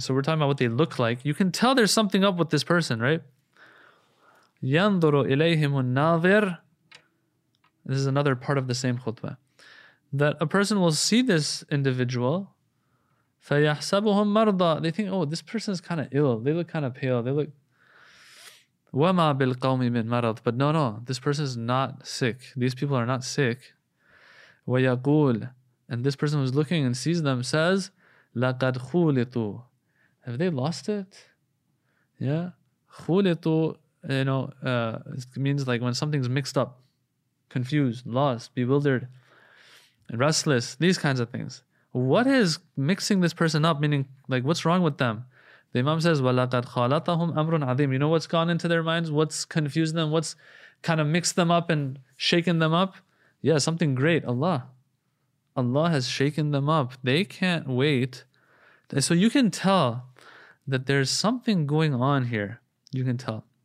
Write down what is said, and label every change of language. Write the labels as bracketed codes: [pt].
[en] So we're talking about what they look like. You can tell there's something up with this person, right? [ar] Yanduru ilayhim un-nadhir. [en] This is another part of the same khutbah. That a person will see this individual, [ar] فَيَحْسَبُهُمْ مَرْضًا. [en] They think, oh, this person is kind of ill. They look kind of pale. They look, [ar] وَمَا بِالْقَوْمِ مِنْ مَرَضٍ. [en] But no, this person is not sick. These people are not sick. [ar] وَيَقُولُ. [en] And this person who's looking and sees them says, [ar] لَقَدْ خُولِطُوا. [en] Have they lost it? Yeah. خُولِطُوا, you know, it means like when something's mixed up, confused, lost, bewildered, restless, these kinds of things. What is mixing this person up? Meaning, like, what's wrong with them? The Imam says, [ar] وَلَقَدْ خَالَطَهُمْ أَمْرٌ عَظِيمٌ. [en] You know what's gone into their minds? What's confused them? What's kind of mixed them up and shaken them up? Yeah, something great, Allah. Allah has shaken them up. They can't wait. So you can tell that there's something going on here. You can tell.